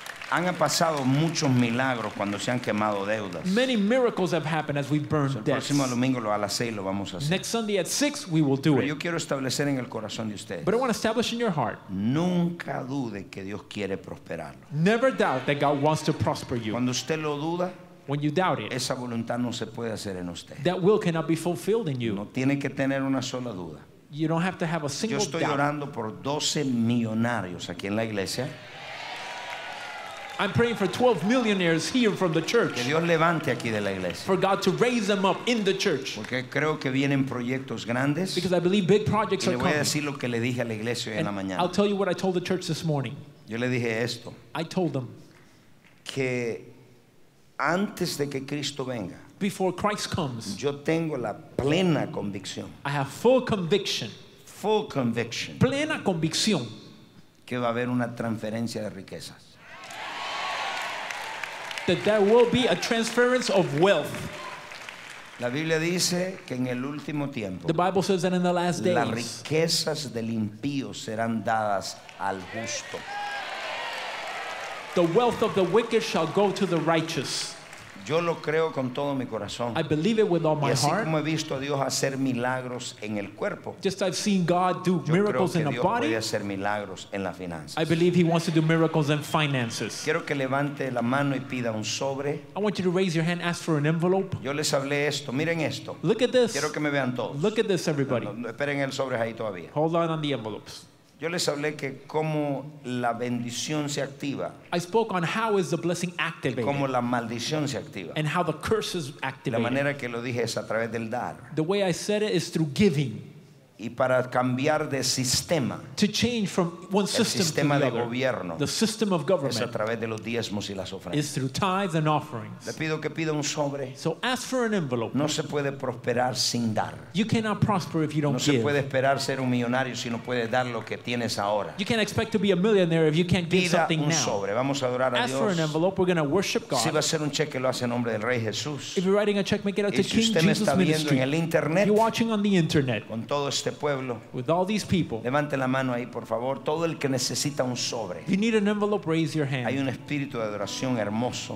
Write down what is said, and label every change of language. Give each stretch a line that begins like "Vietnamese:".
Spanish: Han pasado muchos milagros cuando se han quemado deudas.
English: Many miracles have happened as we've burned debts.
Spanish: El próximo domingo a las 6 lo vamos a hacer.
English: Next Sunday at 6 we will do it.
Spanish: Yo quiero establecer en el corazón de ustedes.
English: But I want to establish in your heart.
Spanish: Nunca dude que Dios quiere prosperarlo.
English: Never doubt that God wants to prosper you.
Spanish: Cuando usted lo duda,
English: when you doubt it,
Spanish: esa voluntad no se puede hacer en usted.
English: That will cannot be fulfilled in you.
Spanish: No tiene que tener una sola duda.
English: You don't have to have a single doubt.
Spanish: Yo estoy orando por 12 millonarios aquí en la iglesia.
English: I'm praying for 12 millionaires here from the church.
Spanish: Que Dios levante aquí de la iglesia.
English: For God to raise them up in the church.
Spanish: Porque creo que vienen proyectos grandes.
English: Because I believe big projects
Spanish: y
English: are coming.
Spanish: Le voy a decir lo que le dije a la iglesia hoy en la mañana.
English: I'll tell you what I told the church this morning.
Spanish: Yo le dije esto.
English: I told them
Spanish: que antes de que Cristo venga,
English: before Christ comes,
Spanish: yo tengo la plena convicción.
English: I have full conviction. Full conviction.
Spanish: Plena convicción. Que va a haber una transferencia de riquezas.
English: That there will be a transference of wealth.
Spanish: La Biblia dice que en el último tiempo,
English: the Bible says that in the last days,
Spanish: las riquezas del impío serán dadas al justo.
English: The wealth of the wicked shall go to the righteous.
Spanish: Yo lo creo con todo mi corazón.
English: I believe it with all my heart.
Spanish: Y así como he visto a Dios hacer milagros en el cuerpo,
English: just I've seen God do miracles in the body.
Spanish: Yo creo que Dios puede hacer milagros en las finanzas.
English: I believe he wants to do miracles in finances.
Spanish: Quiero que levante la mano y pida un sobre.
English: I want you to raise your hand, ask for an envelope.
Spanish: Yo les hablé esto, miren esto.
English: Look at this.
Spanish: Quiero que me vean todos.
English: Look at this, everybody.
Spanish: No, esperen el sobre ahí todavía.
English: Hold on the envelopes.
Spanish: Yo les hablé que cómo la bendición se activa.
English: I spoke on how is the blessing activated.
Spanish: Cómo la maldición se activa.
English: And how the curse is activated.
Spanish: La manera que lo dije es a través del dar.
English: The way I said it is through giving.
Spanish: Y para cambiar de sistema.
English: To change from one system to the other.
Spanish: El sistema de gobierno.
English: The system of government.
Spanish: Es a través de los diezmos y las ofrendas.
English: Is through tithes and offerings.
Spanish: Le pido que pida un sobre.
English: So ask for an envelope.
Spanish: No se puede prosperar sin dar.
English: You cannot prosper if you don't give.
Spanish: No se puede esperar ser un millonario si no puedes dar lo que tienes ahora.
English: You can't expect to be a millionaire if you can't give something now.
Spanish: Pida un sobre. Vamos a adorar a Dios.
English: Ask for an envelope. We're going to worship God.
Spanish: Si va a ser un cheque, lo hace en nombre del Rey Jesús.
English: If you're writing a check, make it out to King Jesus
Spanish: Ministry. Y si usted me está viendo en el internet,
English: you're watching on the internet.
Spanish: Con todo este pueblo.
English: With all these people.
Spanish: Levante la mano ahí, por favor, todo el que necesita un sobre.
English: You need an envelope, raise your hand.
Spanish: Hay un espíritu de adoración hermoso.